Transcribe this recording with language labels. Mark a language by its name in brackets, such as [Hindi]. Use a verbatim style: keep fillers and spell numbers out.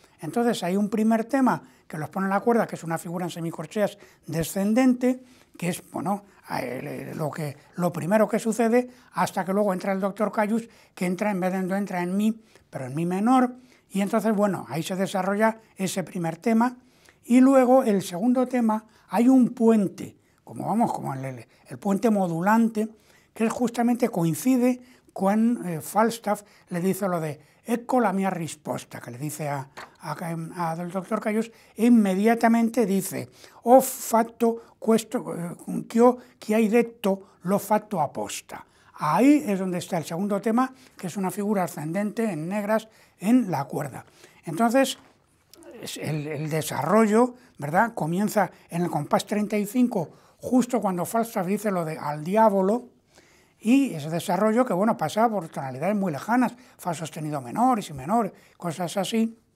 [Spanish] Entonces hay un primer tema que los pone en la cuerda, que es una figura en semicorcheas descendente, que es bueno, lo, que, lo primero que sucede, hasta que luego entra el doctor Caius, que entra en vez de en do, entra en mi, pero en mi menor. Y entonces, bueno, ahí se desarrolla ese primer tema y luego el segundo tema hay un puente, como vamos, como el, el puente modulante, que justamente coincide con eh, Falstaff, le dice lo de [Italian] ecco la mia risposta, [Spanish] que le dice a, a, a del doctor Caius, [Italian] e immediatamente dice, ho fatto questo, eh, che, ho, che hai detto l'ho fatto apposta. [Spanish] Ahí es donde está el segundo tema, que es una figura ascendente en negras en la cuerda. Entonces, el, el desarrollo, ¿verdad?, comienza en el compás treinta y cinco, justo cuando Falstaff dice lo de al diablo, y ese desarrollo que, bueno, pasa por tonalidades muy lejanas, fa sostenido menor y si menor, cosas así.